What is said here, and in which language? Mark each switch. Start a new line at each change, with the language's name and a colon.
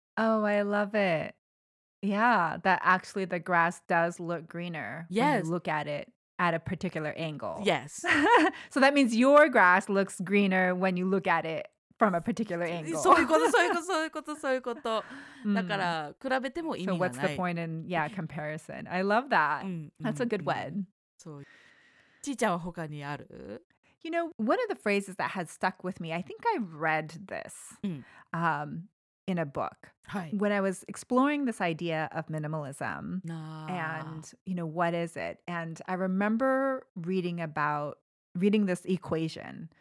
English: Oh, I love it Yeah, that actually the grass does look greener Yes. when you look at itAt a particular angle. Yes. So that means your grass looks greener when you look at it from a particular angle.
Japanese: そういうこと、そういうこと、そういうこと、そういうこと。だから比べても意味がない。
English: So what's the point in, yeah, comparison? I love that. That's a good one.
Japanese: そう。ちーちゃんは他にある?
English: You know, one of the phrases that has stuck with me, I think I've read this in a book.
Japanese: はい。
English: When I was exploring this idea of minimalism and, you know, what is it? And I remember reading this equation,